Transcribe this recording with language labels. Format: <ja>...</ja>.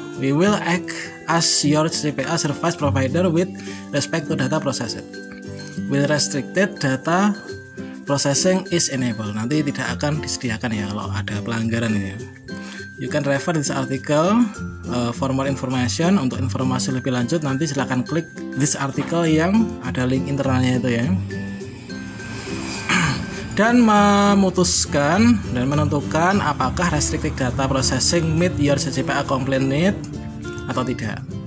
<en>We will act as your CPA service provider with respect to data processed. With restricted data processing is enabled.</en> <id>Nanti tidak akan disediakan ya kalau ada pelanggaran ini.</id> <en>You can refer this article for more information.</en> <id>Untuk informasi lebih lanjut nanti silakan klik</id> <en>this article</en> <id>yang ada link internalnya itu ya. Dan memutuskan dan menentukan apakah</id> <en>restricted data processing meet your CCPA compliant need</en> <id>atau tidak.</id>